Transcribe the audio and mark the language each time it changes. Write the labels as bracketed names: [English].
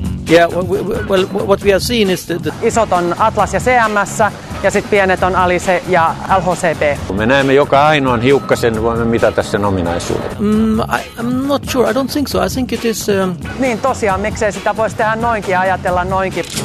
[English] Yeah, well, what we are seeing is that [Finnish] isot on Atlas ja CMS ja sitten pienet on Alice ja LHCB. Me näemme joka ainoan hiukkasen, voimme mitata sen ominaisuudet. [English] I'm not sure, I don't think so. I think it is... [Finnish] Niin tosiaan, miksei sitä voisi tehdä noinkin, ajatella noinkin.